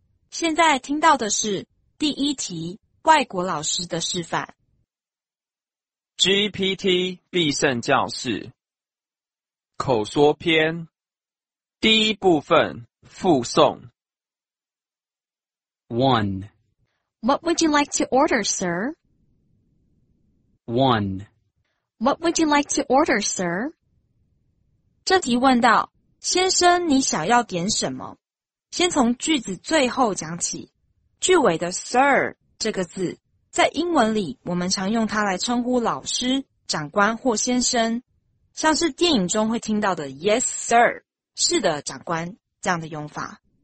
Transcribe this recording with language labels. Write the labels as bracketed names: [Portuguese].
[Chinese] 现在听到的是第一题，外国老师的示范。 GPT 必胜教室口说篇第一部分附送。 [English] One. What would you like to order, sir? One. What would you like to order, sir? [Chinese] 这题问到，先生，你想要点什么？先从句子最后讲起。句尾的 sir 这个字，在英文里，我们常用它来称呼老师、长官或先生，像是电影中会听到的 [English] yes, sir, [Chinese] 是的，长官，这样的用法。